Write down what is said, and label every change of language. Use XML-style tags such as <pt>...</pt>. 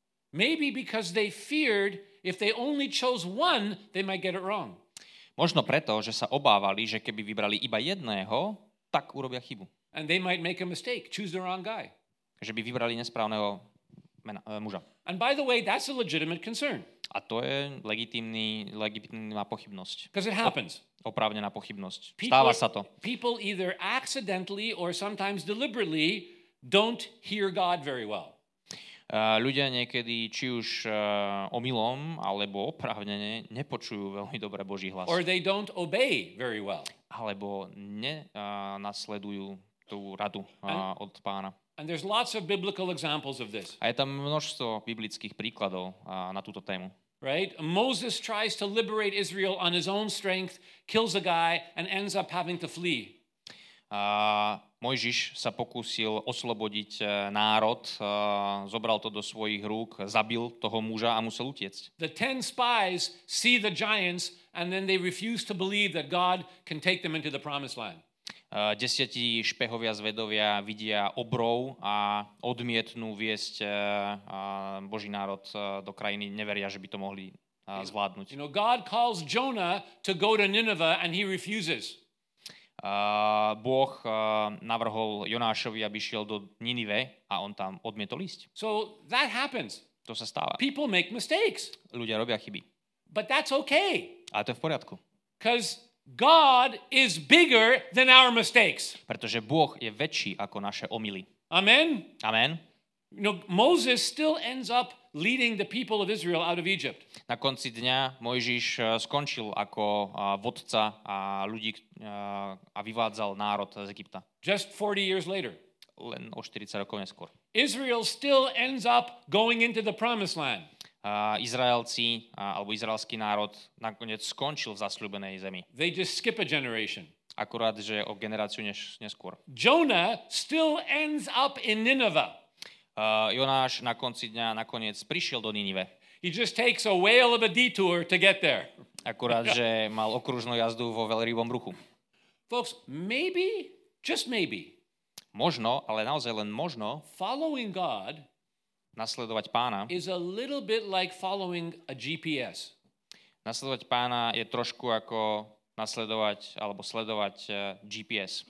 <en>Maybe because they feared if they only chose one, they might get it wrong.</en> <sk>Možno preto, že sa obávali, že keby vybrali iba jedného, tak urobia chybu.</sk> <en>And they might make a mistake, choose the wrong guy.</en> <sk>Že by vybrali nesprávneho muža.</sk> <en>And by the way, that's a legitimate concern.</en> <sk>A to je legitímna pochybnosť.</sk> <en>Because it happens.</en> <sk>Oprávnená pochybnosť. Stáva sa to.</sk> <en>People either accidentally or sometimes deliberately don't hear God very well.</en> <sk>Ľudia niekedy, či už omylom, alebo oprávnene, nepočujú veľmi dobre Boží hlas.</sk> <en>Or they don't obey very well.</en> <sk>Alebo nenasledujú tú radu od pána.</sk> <en>And there's lots of biblical examples of this.</en> <sk>A je tam množstvo biblických príkladov na túto tému.</sk> <en>Right? Moses tries to liberate Israel on his own strength, kills a guy and ends up having to flee.</en> <sk>Mojžiš sa pokúsil oslobodiť národ, zobral to do svojich rúk, zabil toho muža a musel utiecť.</sk> <en>The 10 spies see the giants and then they refuse to believe that God can take them into the promised land.</en> <sk>Desiatí špehovia zvedovia vidia obrov a odmietnú viesť Boží národ do krajiny, neveria, že by to mohli zvládnuť.</sk> <en>You know, God calls Jonah to go to Nineveh and he refuses.</en> <sk>Boh navrhol Jonášovi, aby šiel do Ninive a on tam odmietol ísť.</sk> <en>So that happens.</en> <sk>To sa stáva.</sk> <en>People make mistakes.</en> <sk>Ľudia robia chyby.</sk> <en>But that's okay.</en> <sk>Ale to je v poriadku.</sk> <en>Because God is bigger than our mistakes.</en> <sk>Pretože Boh je väčší ako naše omily.</sk> <en>Amen.</en> <sk>Amen.</sk> <en>You know, Moses still ends up leading the people of Israel out of Egypt.</en> <sk>Na konci dňa Mojžiš skončil ako vodca a ľudí a vyvádzal národ z Egypta.</sk> <en>Just 40 years later.</en> <sk>Len o 40 rokov neskôr.</sk> <en>Israel still ends up going into the promised land.</en> <sk>Izraelci alebo izraelský národ nakoniec skončil v zasľúbenej zemi.</sk> <en>They just skip a generation.</en> <sk>Akurát že o generáciu neskôr.</sk> <en>Jonah still ends up in Nineveh.</en> <sk>Jonáš na konci dňa nakoniec prišiel do Ninive.</sk> <en>He just takes a whale of a detour to get there.</en> <sk>Akurát že mal okružnú jazdu vo veľrybom ruchu.</sk> <en>Folks, maybe, just maybe.</en> <sk>Možno, ale naozaj len možno.</sk> <en>Following God.</en> <sk>Nasledovať pána.</sk> <en>Is a little bit like following a GPS.</en> <sk>Nasledovať pána je trošku ako nasledovať alebo sledovať GPS.</sk>